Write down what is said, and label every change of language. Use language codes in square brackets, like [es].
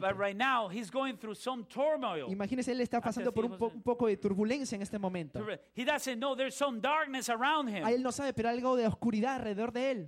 [en] But right now he's going through some turmoil. [es] Imagínese, él está pasando por un poco de turbulencia en este momento. [en] He doesn't know there's some darkness around him. [es] A él no sabe, pero algo de oscuridad alrededor de él.